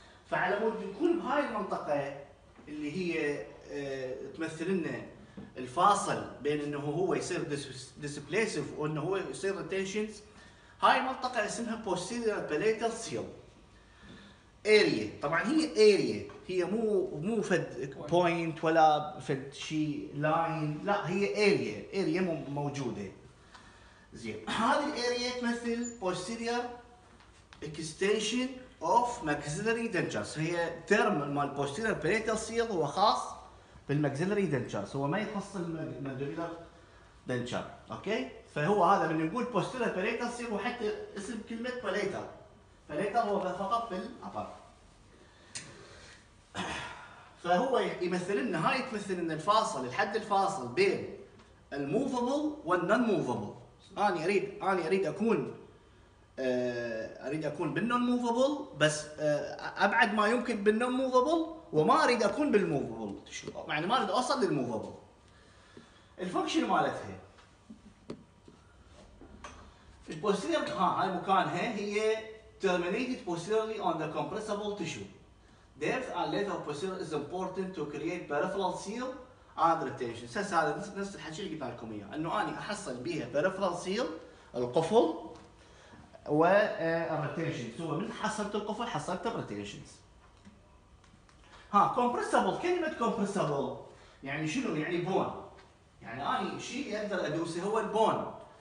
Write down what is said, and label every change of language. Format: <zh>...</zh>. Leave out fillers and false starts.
<ar>فعلى مود نكون بهاي المنطقة اللي هي تمثل لنا الفاصل بين انه هو يصير displacive وانه هو يصير retentions، هاي المنطقة اسمها posterior palatal seal area. طبعا هي area، هي مو فد point ولا فد شي line، لا هي area موجودة. زين هذه</ar> <en>area</en> <ar>تمثل</ar> <en>posterior extension of maxillary dentures.</en> <ar>هي term مال posterior palatal seal هو خاص بالmaxillary dentures، هو ما يخص المدولار دنتشر. اوكي، فهو هذا من نقول posterior palatal seal، وحتى اسم كلمة palatal هو فقط بالأفر. فهو يمثل لنا، هاي تمثل لنا الفاصل، الحد الفاصل بين الموفابل والنون موفابل. أنا أريد أكون اريد اكون بالنون موفابل، بس ابعد ما يمكن بالنون موفابل، وما اريد اكون بالموفابل، يعني ما اريد اوصل للموفابل. الفانكشن مالتها البوستيريور، هاي مكانها هي</ar> <en>terminated posteriorly on the compressible tissue. Depth and length of posterior is important to create peripheral seal and retention.</en> <ar>هذا نفس الحكي اللي قلت لكم اياه، انه اني احصل بها peripheral seal القفل و الريتينشنز، هو من حصلت القفل حصلت الريتينشنز. ها كومبرسبل، كلمة كومبرسبل يعني شنو؟ يعني بون، يعني أنا شيء أقدر أدوسه هو البون.</ar>